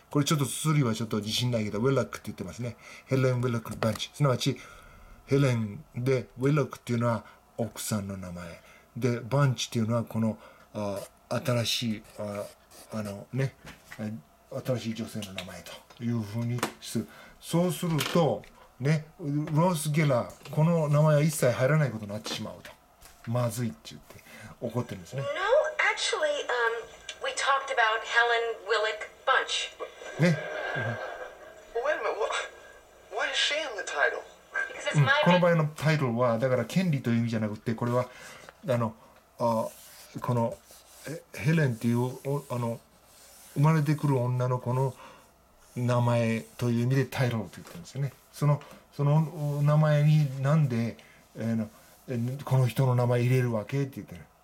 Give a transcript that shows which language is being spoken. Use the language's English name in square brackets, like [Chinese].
[Japanese] これちょっとスリーはちょっと自信ないけど、ウィロックって言ってますね。ヘレン・ウィロック・バンチ、すなわちヘレンで、ウィロックっていうのは奥さんの名前で、バンチっていうのはこの、あ、新しい、 あのね、新しい女性の名前というふうにする。そうするとね、ロース・ゲラー、この名前は一切入らないことになってしまうと、まずいって言って怒ってるんですね。 [English] No, actually, we talked about Helen Willick Bunch. [Japanese] ね。 [English] Wait a minute. Why is she in the title? [Japanese] この場合のタイトルはだから権利という意味じゃなくて、これはこのヘレンっていう生まれてくる女の子の名前という意味でタイトルと言ってるんですよね。その名前になんで、この人の名前入れるわけって言ってる。